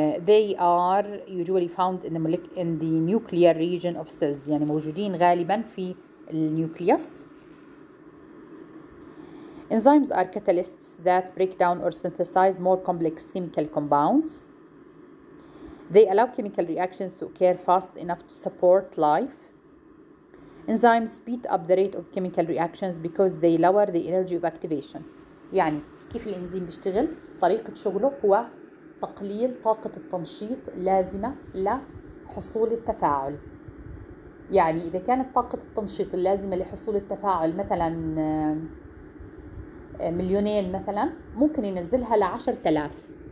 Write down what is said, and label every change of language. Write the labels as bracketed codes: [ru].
[en] They are usually found in the nuclear region of cells. [ar] يعني موجودين غالبا في النيوكليوس. [en] Enzymes are catalysts that break down or synthesize more complex chemical compounds. They allow chemical reactions to occur fast enough to support life. Enzymes speed up the rate of chemical reactions because they lower the energy of activation. [ar] يعني كيف الإنزيم بيشتغل؟ طريقة شغله هو تقليل طاقة التنشيط اللازمة لحصول التفاعل. يعني إذا كانت طاقة التنشيط اللازمة لحصول التفاعل مثلا 2,000,000 مثلا، ممكن ينزلها 10,000،